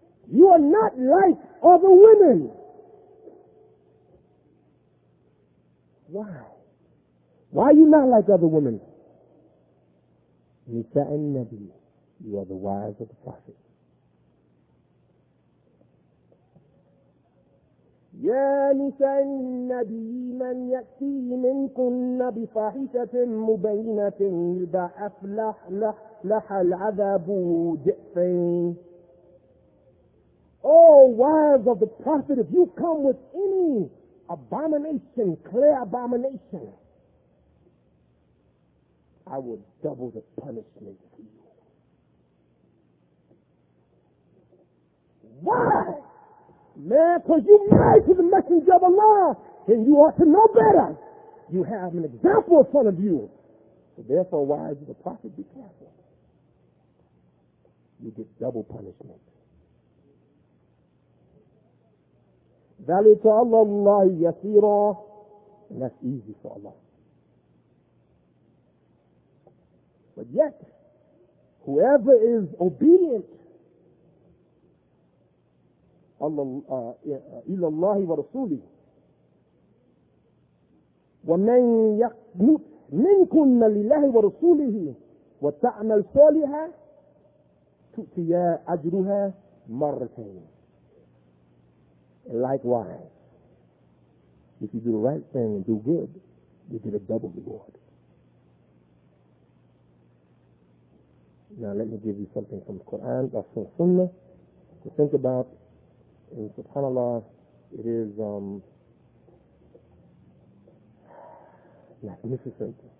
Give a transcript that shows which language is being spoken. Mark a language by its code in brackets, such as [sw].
[en] You are not like other women. Why? Why are you not like other women? Nisa'an Nabi. You are the wives of the prophets. [ar] يا نساء النبي من يأتي منكن بفاحشة مبينة يضاعف لها العذاب ضعفين. [en] Oh, wives of the prophet, if you come with any abomination, clear abomination, I will double the punishment for you. Why? Man, because you married to the messenger of Allah, and you ought to know better. You have an example in front of you. So therefore, wives of the prophet, be careful. You get double punishment. [ar] ذلك على الله يسير. [en] And that's easy for Allah. But yet, whoever is obedient, [ar] إلى الله ورسوله, ومن يقنت منكن لله ورسوله وتعمل صالحا تؤتي أجرها مرتين. [en] And likewise, if you do the right thing and do good, you get a double reward. Now let me give you something from the Quran or from Sunnah to think about. In SubhanAllah, it is magnificent.